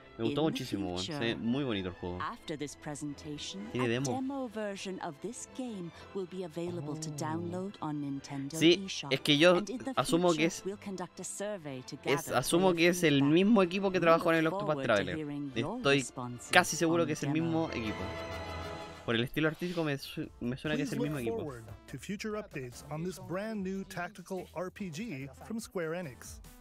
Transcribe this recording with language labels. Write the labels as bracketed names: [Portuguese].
[Spanish] Me gustó muchísimo, sí, muy bonito el juego. [English] After this presentation, a demo version of this game will be available to download on Nintendo eShop. [Spanish] Sí, es que yo asumo que asumo que es el mismo equipo que trabajó en el Octopath Traveler. Estoy casi seguro que es el mismo equipo. Por el estilo artístico me suena que es el mismo equipo. [English] To future updates on this brand new tactical RPG from Square Enix.